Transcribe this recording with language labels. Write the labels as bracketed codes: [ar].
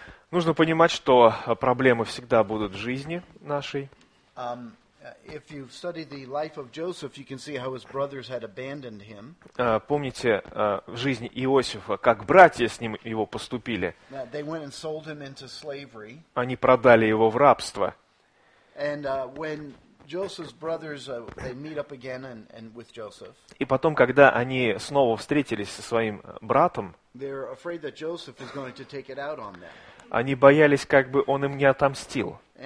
[ru] Нужно понимать, что проблемы всегда будут в жизни нашей. [en] If you study the life of Joseph, you can see how his brothers had abandoned him. [ru] Помните в жизни Иосифа, как братья с ним его поступили? [en] They went and sold him into slavery. [ru] Они продали его в рабство. [en] And when Joseph's brothers they meet up again and with Joseph. [ru] И потом, когда они снова встретились со своим братом, [en] they're afraid that Joseph is going to take it out on them. [ru] Они боялись, как бы он им не отомстил.